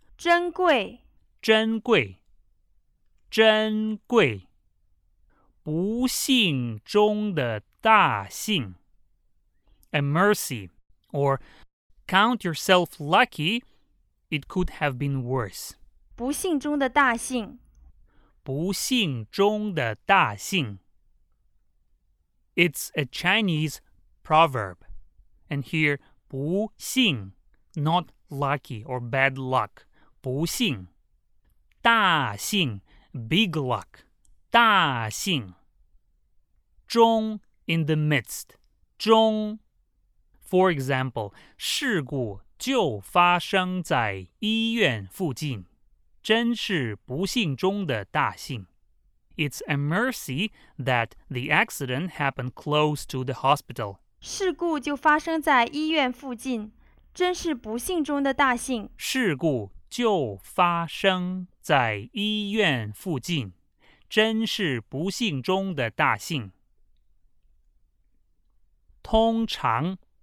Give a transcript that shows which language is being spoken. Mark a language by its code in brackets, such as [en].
[zh] 珍贵，珍贵，珍贵。不幸中的大幸. [en] A mercy. Or, count yourself lucky, it could have been worse. [zh] 不幸中的大幸。不幸中的大幸. [en] It's a Chinese proverb. And here, 不幸, not lucky or bad luck. [zh] 不幸。大幸, [en] big luck. [zh] 大幸。中, [en] in the midst. [zh] 中. [en] For example, [zh] 事故就发生在医院附近。真是不幸中的大幸. [en] It's a mercy that the accident happened close to the hospital. [zh] 事故就发生在医院附近。真是不幸中的大幸。事故就发生在医院附近。真是不幸中的大幸。通常